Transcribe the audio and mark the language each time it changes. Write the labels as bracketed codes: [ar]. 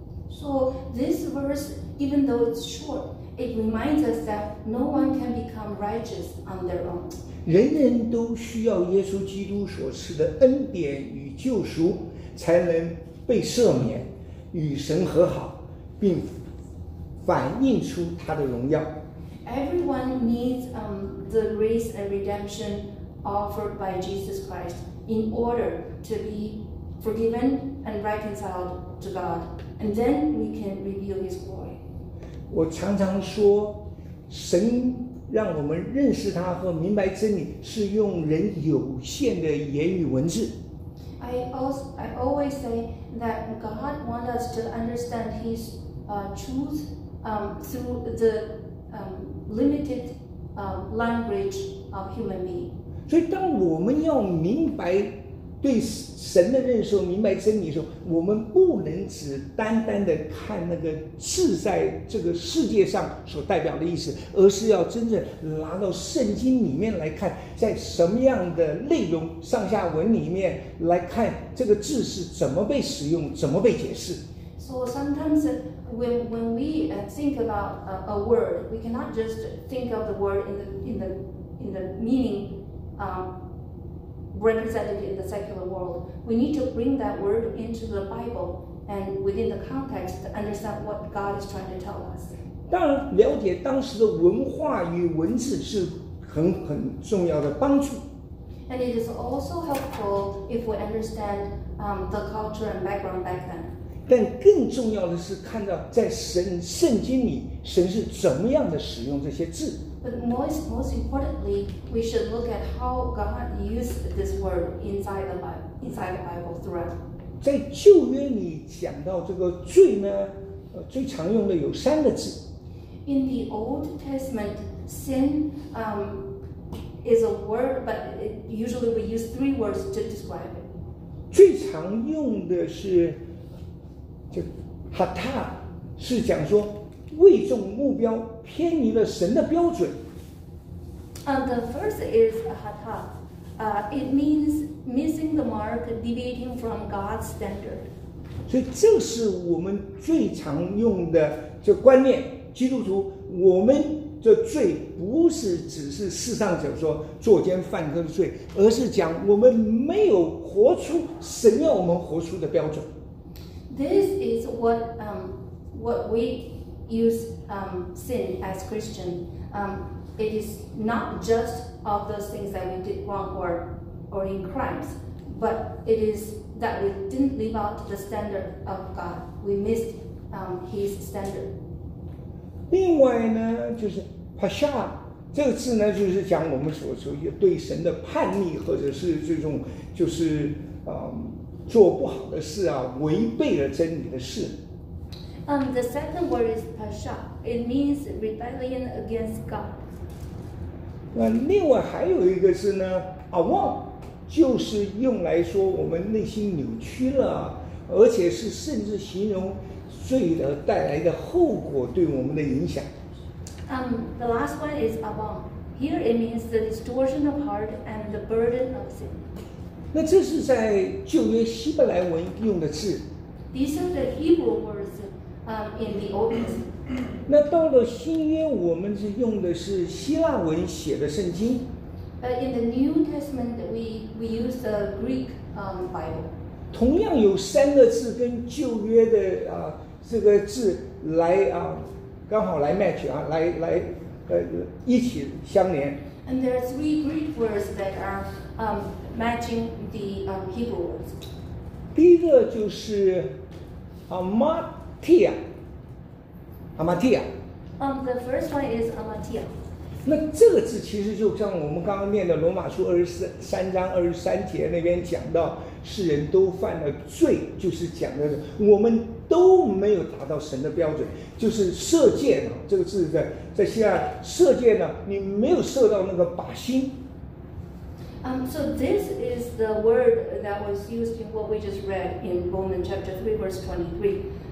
[en] So this verse, even though it's short, it reminds us that no one can become righteous on their own. [zh] 人人都需要耶稣基督所赐的恩典与救赎，才能被赦免，与神和好，并反映出他的荣耀。 [en] Everyone needs the grace and redemption offered by Jesus Christ in order to be forgiven and reconciled to God, and then we can reveal His glory. [zh] 我常常说，神让我们认识他和明白真理是用人有限的言语文字。 [en] I always say that God wants us to understand His truth through the limited language of human being. [zh] 所以当我们要明白对神的认识，明白真理的时候，我们不能只单单的看那个字在这个世界上所代表的意思，而是要真正拿到圣经里面来看，在什么样的内容上下文里面来看这个字是怎么被使用，怎么被解释。 [en] So sometimes when we think about a word, we cannot just think of the word in the meaning represented in the secular world. We need to bring that word into the Bible and within the context to understand what God is trying to tell us. [zh] 当然，了解当时的文化与文字是很重要的帮助。 [en] And it is also helpful if we understand the culture and background back then. [zh] 但更重要的是看到在神圣经里神是怎么样的使用这些字。 [en] But most importantly, we should look at how God used this word inside the Bible throughout. [zh] 在旧约里讲到这个罪呢，最常用的有三个字。 [en] In the Old Testament, sin is a word, but usually we use three words to describe it. [zh] 最常用的是就 Hata 是讲说未中目标偏离了神的标准。 [en] And the first is Hata. It means missing the mark, deviating from God's standard. [zh] 所以这是我们最常用的这观念。基督徒，我们这罪不是只是世上所说作奸犯科的罪，而是讲我们没有活出神要我们活出的标准。 [en] This is what we use sin as Christian. It is not just of those things that we did wrong or in crimes, but it is that we didn't live out the standard of God. We missed His standard. [zh] 另外呢，就是 Pasha 这个字呢，就是讲我们所说对神的叛逆，或者是这种就是做不好的事啊，违背了真理的事。 [en] The second word is pasha. It means rebellion against God. [zh] 那另外还有一个字呢 ，awam， 就是用来说我们内心扭曲了，而且是甚至形容罪的带来的后果对我们的影响。 [en] The last one is awam. Here it means the distortion of heart and the burden of sin. [zh] 那这是在旧约希伯来文用的字。 [en] These are the Hebrew words in the Old Testament. [zh] 那到了新约，我们是用的是希腊文写的圣经。 [en] In the New Testament, we use the Greek Bible. [zh] 同样有三个字跟旧约的这个字来刚好来 match 啊，来一起相连。 [en] And there are three Greek words that are matching the Hebrew words. [zh] 第一个就是 amatia. [en] Amatia. The first one is amatia. [zh] 那这个字其实就像我们刚刚念的罗马书23:23那边讲到，世人都犯了罪，就是讲的我们都没有达到神的标准，就是射箭啊，这个字在希腊射箭呢，你没有射到那个靶心。 [en] So this is the word that was used in what we just read in Romans chapter 3 verse 23.